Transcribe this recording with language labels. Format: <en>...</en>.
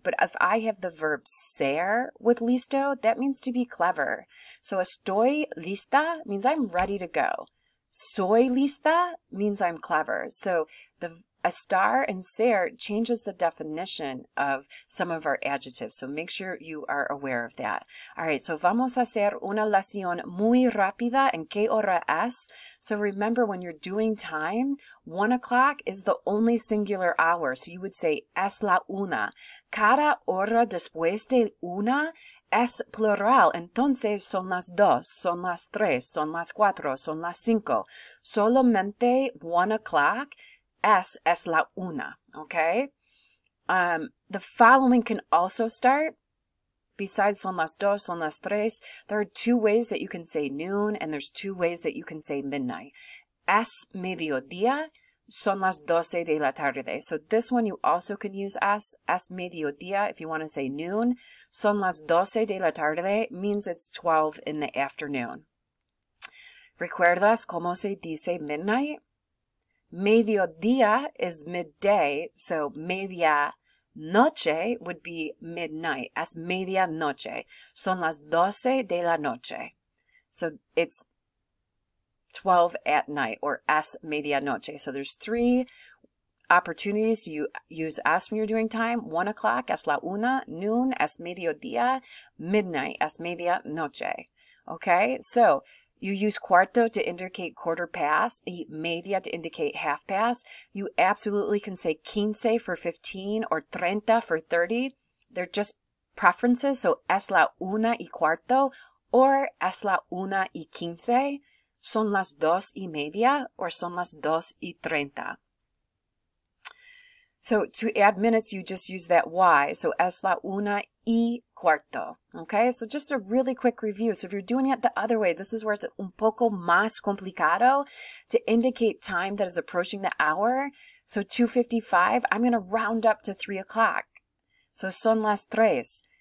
<en>But if I have the verb ser with listo, that means to be clever. So</en> <es>estoy lista</es> <en>means I'm ready to go.</en> <es>Soy lista</es> <en>means I'm clever. So the estar and ser changes the definition of some of our adjectives. So make sure you are aware of that. All right, so</en> <es>vamos a hacer una lección muy rápida. ¿En qué hora es?</es> <en>So remember, when you're doing time, 1 o'clock is the only singular hour. So you would say</en> <es>es la una. Cada hora después de una es plural. Entonces son las dos, son las tres, son las cuatro, son las cinco. Solamente</es> <en>1 o'clock</en> <es>es la una,</es> <en>okay? The following can also start. Besides</en> <es>son las dos, son las tres,</es> <en>there are two ways that you can say noon, and there's two ways that you can say midnight.</en> <es>Es mediodía, son las doce de la tarde.</es> <en>So this one you also can use as.</en> <es>Es mediodía,</es> <en>if you want to say noon. Son las doce de la tarde means it's 12 in the afternoon.</en> <es>¿Recuerdas cómo se dice midnight?</es> <en>Mediodía is midday, so</en> <es>media noche</es> <en>would be midnight.</en> <es>Es media noche. Son las doce de la noche.</es> <en>So it's 12 at night, or</en> <es>es media noche.</es> <en>So there's three opportunities you use es when you're doing time. 1 o'clock,</en> <es>es la una.</es> <en>Noon,</en> <es>es mediodía.</es> <en>Midnight,</en> <es>es media noche.</es> <en>Okay, so you use cuarto to indicate quarter past, y media to indicate half past. You absolutely can say quince for 15 or treinta for 30. They're just preferences.</en> <es>So es la una y cuarto, or es la una y quince. Son las dos y media, or son las dos y treinta.</es> <en>So to add minutes, you just use that Y. So</en> <es>es la una y cuarto.</es> <en>Okay, so just a really quick review. So if you're doing it the other way, this is where it's</en> <es>un poco más complicado</es> <en>to indicate time that is approaching the hour. So 2:55, I'm going to round up to 3 o'clock. So</en> <es>son las tres.</es>